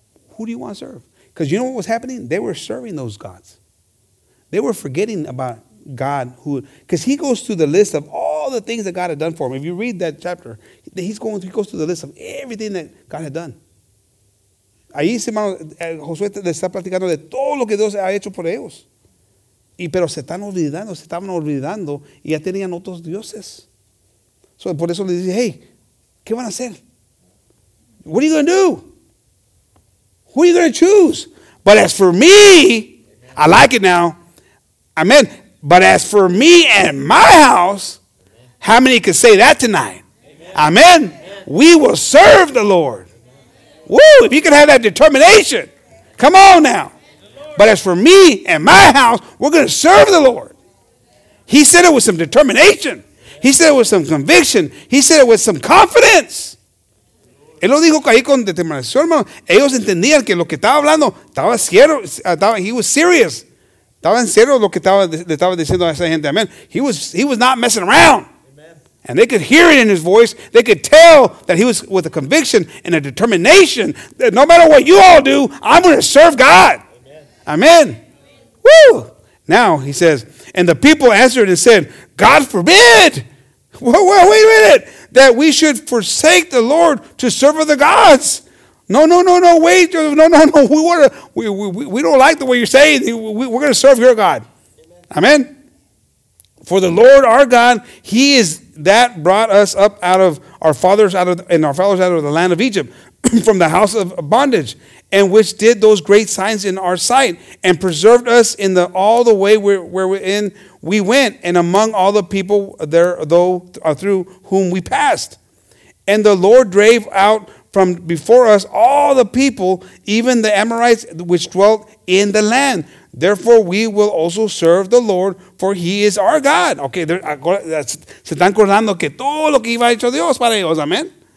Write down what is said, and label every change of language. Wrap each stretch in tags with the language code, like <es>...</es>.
<en>Who do you want to serve? Because you know what was happening? They were serving those gods. They were forgetting about God. Because he goes through the list of all the things that God had done for him. If you read that chapter, he goes through the list of everything that God had done.</en> <es>Ahí, hermano, Josué le está platicando de todo lo que Dios ha hecho por ellos. Pero se estaban olvidando, y ya tenían otros dioses. So por eso le dice, hey, ¿qué van a hacer?</es> <en>What are you going to do? Who are you going to choose? But as for me, amen. I like it now. Amen. But as for me and my house, amen. How many can say that tonight? Amen. We will serve the Lord. Amen. Woo, if you can have that determination. Come on now. But as for me and my house, we're going to serve the Lord. He said it with some determination. He said it with some conviction. He said it with some confidence.</en> <es>Él lo dijo ahí con determinación, hermano. Ellos entendían que lo que estaba hablando estaba cierto.</es> <en>He was serious.</en> <es>Estaba en serio lo que estaba diciendo a esa gente.</es> <en>Amen. He was not messing around. Amen. And they could hear it in his voice. They could tell that he was with a conviction and a determination that no matter what you all do, I'm going to serve God. Amen. Amen. Amen. Woo! Now he says, and the people answered and said, God forbid! Wait a minute! That we should forsake the Lord to serve other gods. No, wait. No. We don't like the way you're saying. We're going to serve your God. Amen. For the Lord our God, he is that brought us up out of our fathers out of the land of Egypt from the house of bondage, and which did those great signs in our sight and preserved us in the all the way wherein we went, and among all the people there though through whom we passed. And the Lord drave out from before us all the people, even the Amorites which dwelt in the land. Therefore we will also serve the Lord, for he is our God.</en> <es>Okay, se están acordando que todo lo que iba a hecho Dios para ellos, amen.</es>